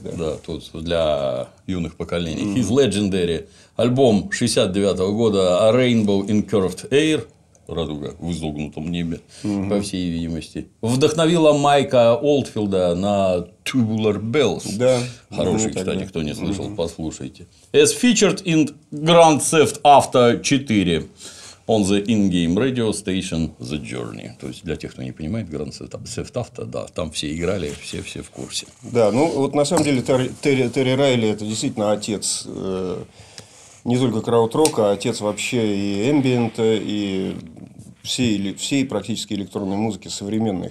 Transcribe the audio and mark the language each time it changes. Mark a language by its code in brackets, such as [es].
[ru] Да, да, тут для юных поколений. Mm-hmm. [en] His Legendary. [ru] Альбом 69-го года. [en] A Rainbow in Curved Air. [ru] Радуга в изогнутом небе, mm-hmm. по всей видимости. Вдохновила Майка Олдфилда на Tubular Bells. Да. Хороший, ну, кстати, кто не слышал, mm-hmm. послушайте. [en] As featured in Grand Theft Auto 4. On the in-game radio station The Journey. [ru] То есть, для тех, кто не понимает, Grand Theft Auto, да, там все играли, все в курсе. Да, ну, вот на самом деле Терри Райли – это действительно отец не только краудрока, а отец вообще и эмбиента, и всей практически электронной музыки современной.